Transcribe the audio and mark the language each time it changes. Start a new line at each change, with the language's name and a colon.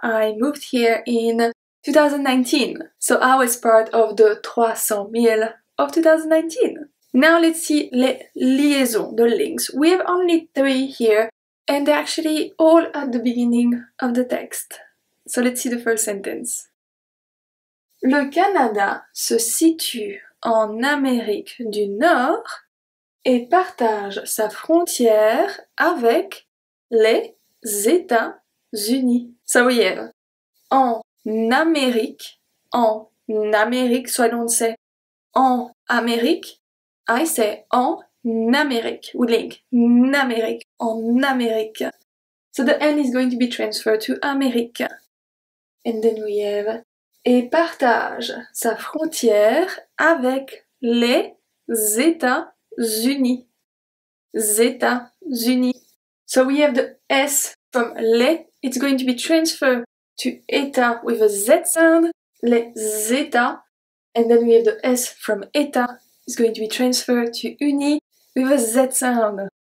English: I moved here in 2019, so I was part of the 300 000 of 2019. Now let's see
French: les liaisons,
English: the links. We have only three here, and they're actually all at the beginning of the text. So let's see the first sentence.
French: Le Canada se situe en Amérique du Nord et partage sa frontière avec les États-Unis.
English: So we have
French: en Amérique, en Amérique,
English: soit on sait
French: en Amérique,
English: I say en Amérique, we link,
French: Amérique, en Amérique.
English: So the N is going to be transferred to Amérique. And then we have,
French: et partage sa frontière avec les États-Unis. États-Unis.
English: So we have the S from les, it's going to be transferred to état with a Z sound,
French: les états,
English: and then we have the S from état, it's going to be transferred to uni with a Z sound.